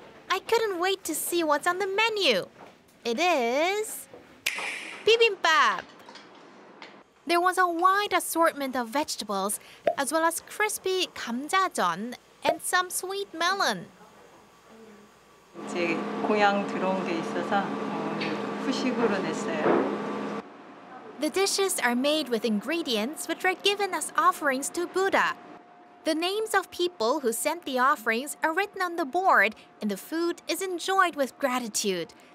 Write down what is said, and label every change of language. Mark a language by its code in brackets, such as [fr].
[en] I couldn't wait to see what's on the menu. It is bibimbap. There was a wide assortment of vegetables, as well as crispy 감자전 and some sweet melon. [ko] 제 고향 들어온 게 있어서 후식으로 냈어요. [en] The dishes are made with ingredients which are given as offerings to Buddha. The names of people who sent the offerings are written on the board, and the food is enjoyed with gratitude.